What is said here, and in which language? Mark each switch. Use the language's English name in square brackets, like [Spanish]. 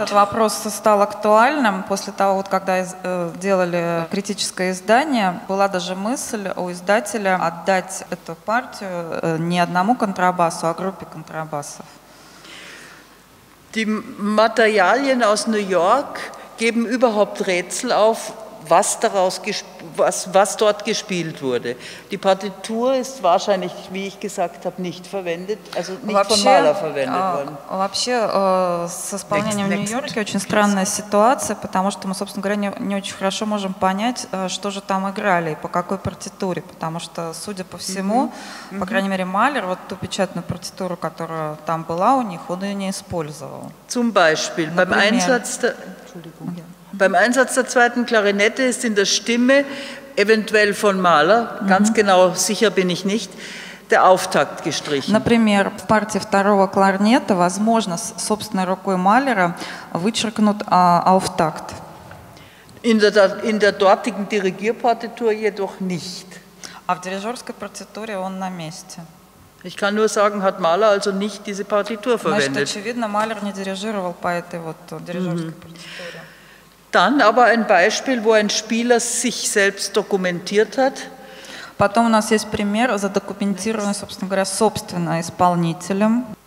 [Russian] Этот вопрос стал актуальным после того, вот, когда делали критическое издание. Была даже мысль у издателя отдать эту партию не одному контрабасу, а группе контрабасов. [German] Die Materialien aus New York geben überhaupt Rätsel auf, was dort gespielt wurde. Die Partitur ist wahrscheinlich, wie ich gesagt habe, nicht verwendet, also nicht [Russian] вообще, [German] von Mahler verwendet worden. [Russian] Вообще, с исполнением в Нью-Йорке очень странная ситуация, потому что мы, собственно говоря, не очень хорошо можем понять, что же там играли и по какой партитуре, потому что, судя по всему, по крайней мере, Малер, вот ту печатную партитуру, которая там была у них, он ее не использовал. [German] Zum Beispiel, [Russian] например, [German] beim Einsatz der... Beim Einsatz der zweiten Klarinette ist in der Stimme, eventuell von Mahler, ganz genau sicher bin ich nicht, der Auftakt gestrichen. [Russian] Например, в партии второго кларнета, возможно, собственной рукой Малера вычеркнут Auftakt. [German] In der dortigen Dirigierpartitur jedoch nicht. [Russian] А в дирижерской партитуре он на месте. [German] Ich kann nur sagen, hat Mahler also nicht diese Partitur verwendet. [Russian] Значит, очевидно, Малер не дирижировал по этой вот дирижерской партитуре. [German] Dann aber ein Beispiel, wo ein Spieler sich selbst dokumentiert hat. [Russian] Потом у нас есть пример, задокументированный, собственно говоря, собственно исполнителем.